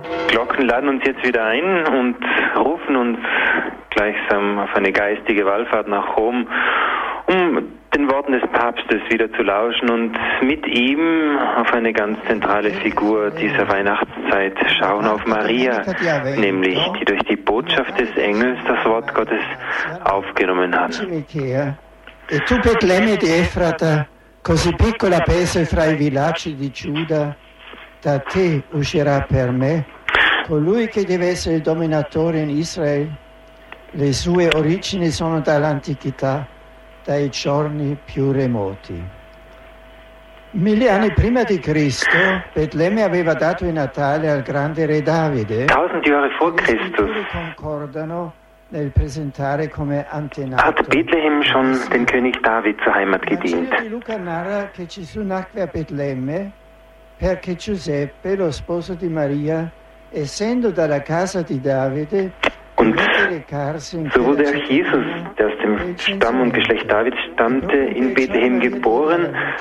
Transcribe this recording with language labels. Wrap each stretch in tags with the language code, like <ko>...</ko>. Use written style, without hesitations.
<de>Glocken laden uns jetzt wieder ein und rufen uns gleichsam auf eine geistige Wallfahrt nach Rom, um den Worten des Papstes wieder zu lauschen und mit ihm auf eine ganz zentrale Figur dieser Weihnachtszeit schauen, auf Maria, nämlich die durch die Botschaft des Engels das Wort Gottes aufgenommen hat.</de> <it>E tu Betlemme di Efrata, così piccola pesa fra i villaggi di Giuda, da te uscirà per me colui che deve essere il dominatore in Israele. Le sue origini sono dall'antichità, dai giorni più remoti. Mille anni prima di Cristo, Betlemme aveva dato il Natale al grande re Davide.</it> <de>Tausend Jahre vor Christus.</de> <it>Concordano nel presentare come antenato.</it> <de>Hat Bethlehem schon den König David zur Heimat gedient.</de> <it>Luca narra che Gesù nacque a Betlemme perché Giuseppe, lo sposo di Maria, essendo dalla casa di Davide.</it> <de>Und so wurde auch Jesus, der aus dem Stamm und Geschlecht Davids stammte, in Bethlehem geboren.</de>